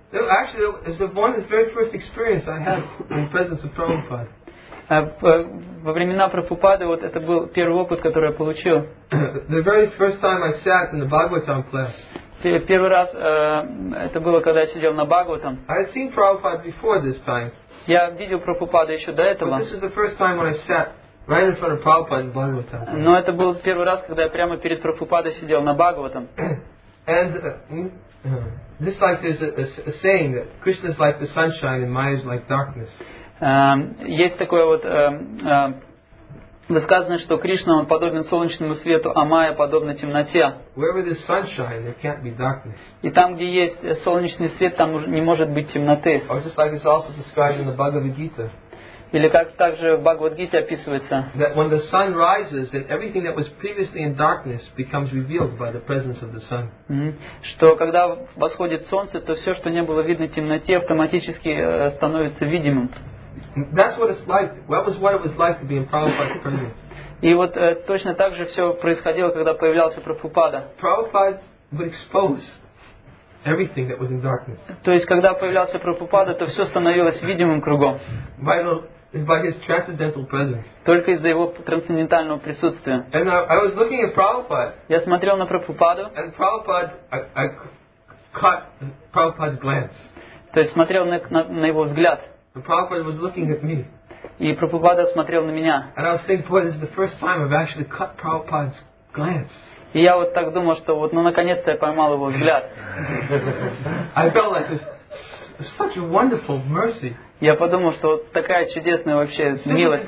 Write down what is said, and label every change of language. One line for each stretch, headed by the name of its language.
English: Actually, it's the one of the very first experience I had in the presence of Prabhupada.
Russian: Во времена Прабхупады вот это был первый опыт, который я получил.
English: The very first time I sat in the Bhagavatam class.
Russian: Первый раз это было, когда я сидел на Бхагаватам.
English: I had seen Prabhupada before this time.
Russian: Я видел Прабхупаду еще до этого.
English: But this is the first time when I sat right in front of Prabhupada in Bhagavatam.
Russian: Но это был первый раз, когда я прямо перед Прабхупадой сидел на Бхагаватам.
English: And this life is a saying that Krishna is like the sunshine and Maya is like darkness.
Russian: Есть такое вот высказывание, что Кришна он подобен солнечному свету, а Майя подобна темноте.
English: Wherever there's sunshine, there can't be darkness.
Russian: И там, где есть солнечный свет, там не может быть темноты.
English: Or just like it's also described in the Bhagavad Gita.
Russian: Или как также в Бхагавад Гите описывается.
English: That when the sun rises, then everything that was previously in darkness becomes revealed by the presence of the sun.
Russian: Что когда восходит солнце, то все, что не было видно в темноте, автоматически становится видимым.
English: That's what it's like. That was what it was like to be in Prabhupada's presence.
Russian: И вот точно так же все происходило, когда появлялся Прабхупада.
English: Prabhupada would expose everything that was in darkness.
Russian: То есть, когда появлялся Прабхупада, то все становилось видимым кругом.
English: By his transcendental presence.
Russian: Только из-за его трансцендентального присутствия.
English: And I was looking at Prabhupada.
Russian: Я смотрел на Прабхупаду.
English: And Prabhupada, I caught Prabhupada's glance.
Russian: То есть, смотрел на его взгляд.
English: And Prabhupada was looking at me.
Russian: И Прабхупада смотрел на меня.
English: And I was thinking, boy, this is the first time I've actually caught Prabhupada's glance.
Russian: И я вот так думал, что вот, ну, наконец-то я поймал его взгляд.
English: I felt like this such a wonderful mercy.
Russian: Я подумал, что вот такая чудесная вообще милость.